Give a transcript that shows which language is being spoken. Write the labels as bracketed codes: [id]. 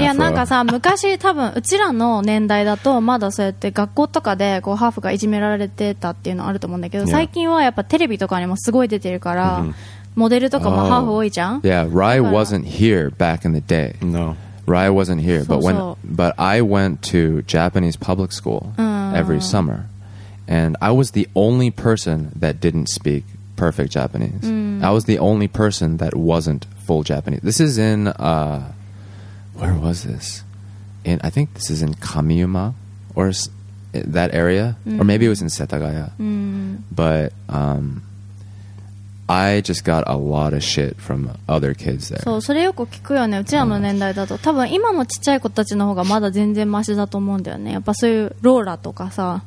[ja] いやなんかさ昔多分うちらの年代だとまだそうやって学校とかでこうハーフがいじめられてたっていうのあると思うんだけど、yeah. 最近はやっぱテレビとかにもすごい出てるから、mm-hmm. モデルとかもハーフ多いじゃん。 [en] Yeah, Rai wasn't here back in the day. No, Rai wasn't here. But when, but I went to Japanese public school every summer, and I was the only person that didn't speak. Perfect Japanese. I was the only person that wasn't full Japanese. This is in where was this? In I think this is in Kamiyuma or that area, or maybe it was in Setagaya. But I just got a lot of shit from other kids there. So, [ja] それよく聞くよね。うちらの年代だと、多分今のちっちゃい子たちの方がまだ全然マシだと思うんだよね。やっぱそういうローラとかさ、